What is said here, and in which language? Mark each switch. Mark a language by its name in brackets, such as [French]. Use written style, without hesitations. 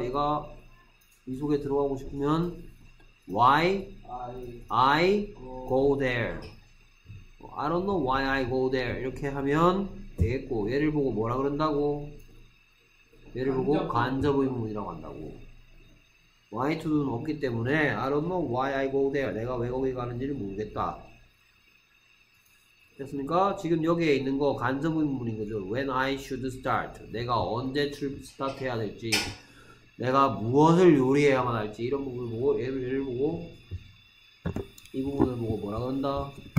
[Korean] 얘가 이 속에 들어가고 싶으면 why [English] I go there. I don't know why I go there. [Korean] 이렇게 하면 되겠고, 얘를 보고 뭐라 그런다고? 얘를 보고 간접 의문이라고 한다고. [English] Why to do는 [Korean] 없기 때문에 [English] I don't know why I go there. [Korean] 내가 왜 거기 가는지를 모르겠다. 됐습니까? 지금 여기에 있는 거 간접 의문인 거죠. [English] When I should start. [Korean] 내가 언제 스타트해야 될지. 내가 무엇을 요리해야만 할지. 이런 부분을 보고, 얘를 보고 이 부분을 보고 뭐라 한다?